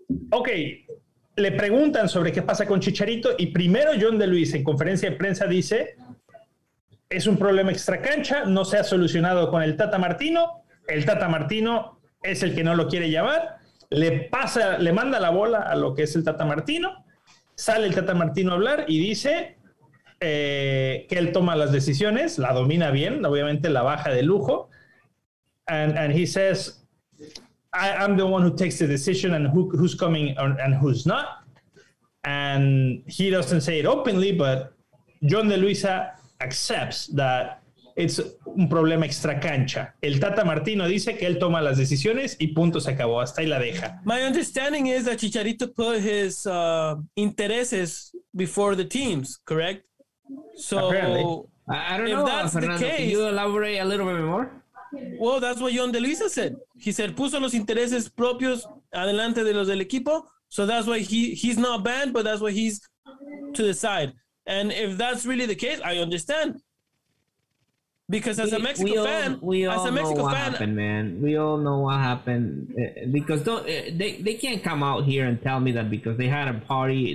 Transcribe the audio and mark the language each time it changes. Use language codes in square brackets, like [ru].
[es] Ok, le preguntan sobre qué pasa con Chicharito y primero John de Luisa en conferencia de prensa dice: es un problema extracancha, no se ha solucionado con el Tata Martino. El Tata Martino es el que no lo quiere llamar, le manda la bola a lo que es el Tata Martino. Sale el Tata Martino a hablar y dice. Que él toma las decisiones, la domina bien, obviamente la baja de lujo, [en] and he says, I'm the one who takes the decision and who's coming and who's not. And he doesn't say it openly, but John De Luisa accepts that it's [es] un problema extra cancha. El Tata Martino dice que él toma las decisiones y punto, se acabó, hasta ahí la deja. [en] My understanding is that Chicharito put his intereses before the teams, correct? So apparently. I don't know, Fernando, can you elaborate a little bit more? Well, that's what John De Luisa said. He said, [es] puso los intereses propios adelante de los del equipo. [en] So that's why he's not banned, but that's why he's to the side. And if that's really the case, I understand. Because as a Mexico fan, we all know what happened. Because they can't come out here and tell me that because they had a party.